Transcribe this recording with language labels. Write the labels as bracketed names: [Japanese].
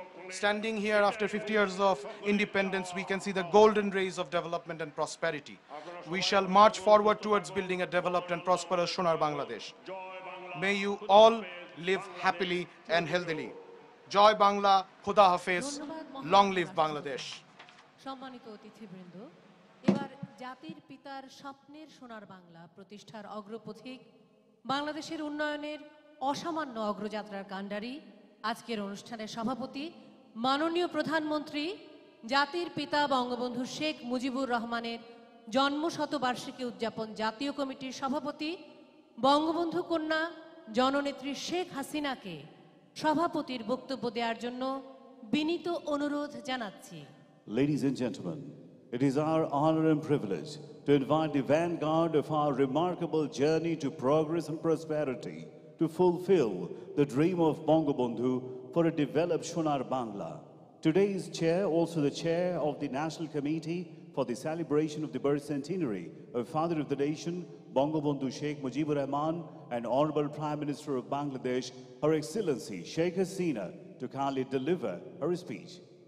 [English] Standing here after 50 years of independence, we can see the golden rays of development and prosperity. We shall march forward towards building a developed and prosperous Sonar Bangladesh. May you all live happily and healthily. Joy Bangla, Khuda Hafiz, long live Bangladesh. [Bangla] জাতির পিতার স্বপ্নের সোনার বাংলা প্রতিষ্ঠার অগ্রপথিক বাংলাদেশের উন্নয়নের অসামান্য অগ্রযাত্রার কাণ্ডারী আজকের অনুষ্ঠানে সভাপতি মাননীয় প্রধানমন্ত্রী জাতির পিতা বঙ্গবন্ধু শেখ মুজিবুর রহমানের জন্মশতবার্ষিকী উদযাপন জাতীয় কমিটির সভাপতি বঙ্গবন্ধু কন্যা জননেত্রী শেখ হাসিনাকে সভাপতির বক্তব্য দেওয়ার জন্য বিনীত অনুরোধ জানাচ্ছি। [English] Ladies and gentlemen, it is our honor and privilege to invite the vanguard of our remarkable journey to progress and prosperity to fulfill the dream of Bangabandhu for a developed Sonar Bangla. Today's chair, also the chair of the National Committee for the celebration of the birth centenary of Father of the Nation, Bangabandhu Sheikh Mujibur Rahman, and Honorable Prime Minister of Bangladesh, Her Excellency Sheikh Hasina, to kindly deliver her speech.